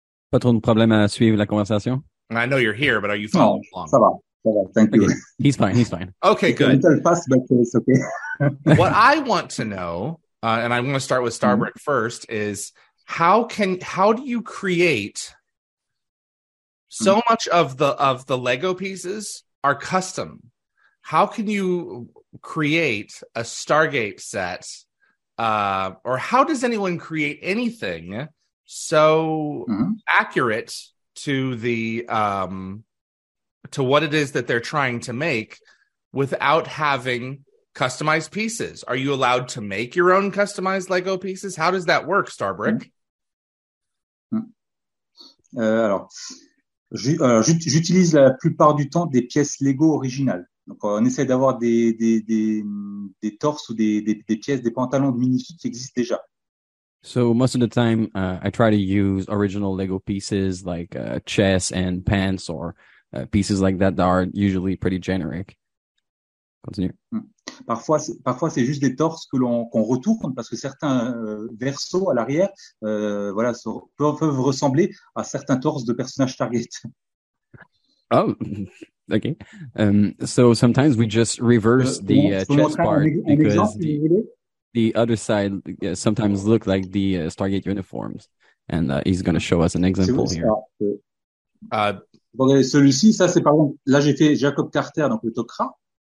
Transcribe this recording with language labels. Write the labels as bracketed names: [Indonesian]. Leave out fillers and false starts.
[French] Pas trop de problème à suivre la conversation. [English] I know you're here, but are you following along? [French] Ça va. [English] Thank you. Okay. He's fine. Okay, good. A little fast, but it's okay. What I want to know, and I'm going to start with Starbrick first, is how do you create so much of the Lego pieces are custom? How can you create a Stargate set, or how does anyone create anything so accurate to the to what it is that they're trying to make without having customized pieces? Are you allowed to make your own customized Lego pieces? How does that work, Starbrick? [French] J'utilise la plupart du temps des pièces Lego originales. Donc, on essaie d'avoir des torses ou des pièces, des pantalons de minifig qui existent déjà. [English] So, most of the time, I try to use original Lego pieces like chess and pants or pieces like that that are usually pretty generic. Continue. [French] Parfois, c'est juste des torses qu'on retourne parce que certains versos à l'arrière peuvent ressembler à certains torses de personnages Target. [English] Oh! Okay. So sometimes we just reverse the chest part because the other side sometimes look like the Stargate uniforms. And he's going to show us an example here. [French] Celui-ci, ça c'est par exemple, là j'ai fait Jacob Carter, donc le Tok'ra.